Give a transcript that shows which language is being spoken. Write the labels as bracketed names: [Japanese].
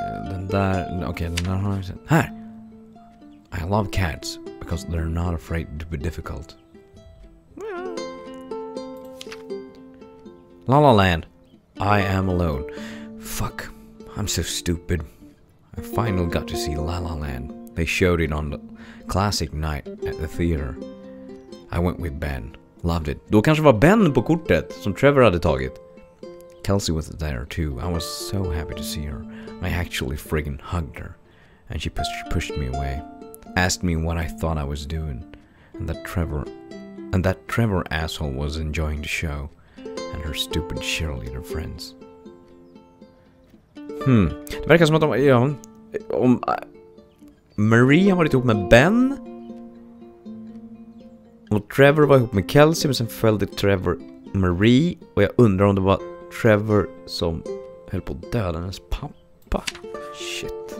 [Swedish] Den där, okej, den där har jag sett. Här! [English] I love cats because they're not afraid to be difficult. La La Land, I am alone. Fuck, I'm so stupid. I finally got to see La La Land. They showed it on the classic night at the theater. I went with Ben. Loved it. [Swedish] Då kanske var Ben på kortet som Trevor hade tagit. [English] Kelsey was there too. I was so happy to see her. I actually friggin' hugged her. And she pushed me away. Asked me what I thought I was doing. And that Trevor asshole was enjoying the show. And her stupid cheerleader friends. [Swedish] Det verkar som att de, ja, om Marie har varit ihop med Ben. Och Trevor var ihop med Kelsey. Men sen följde Trevor Marie. Och jag undrar om det var Trevor som höll på att döda hennes pappa. Shit.